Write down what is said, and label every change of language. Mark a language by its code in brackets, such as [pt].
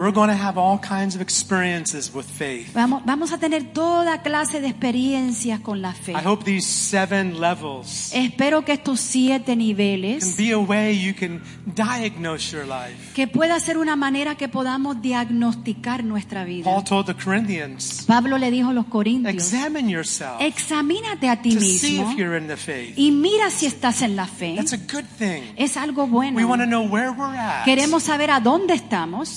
[en] We're going to have all kinds of experiences with faith. [es] Vamos a tener toda clase de experiencias con la fe. [en] I hope these seven levels. [es] Espero que estos siete niveles. [en] Can be a way you can diagnose your life. [es] Que pueda ser una manera que podamos diagnosticar nuestra vida. [en] Paul told the Corinthians. [es] Pablo le dijo a los Corintios. [en] Examine yourself. [es] Examínate a ti mismo. [en] To see if you're in the faith. [es] Y mira si estás en la fe. [en] That's a good thing. [es] Es algo bueno. [en] We want to know where we're at. [es] Queremos saber a dónde estamos.